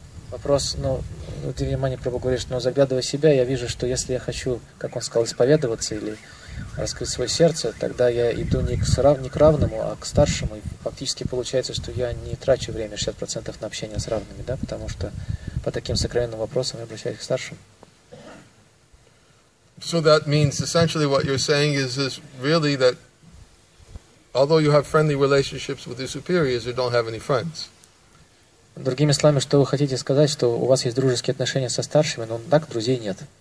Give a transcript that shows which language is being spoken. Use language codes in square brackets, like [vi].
[ru] Вопрос, ты внимание Прабху говоришь, заглядывая в себя, я вижу, что если я хочу, как он сказал, исповедоваться или раскрыть свое сердце, тогда я иду не к равному, а к старшему. И фактически получается, что я не трачу время 60% на общение с равными, да, потому что по таким сокровенным вопросам я обращаюсь к старшим. [en] So that means essentially what you're saying is really that although you have friendly relationships with your superiors, you don't have any friends. [ru] Другими словами, что вы хотите сказать, что у вас есть дружеские отношения со старшими, но так друзей нет.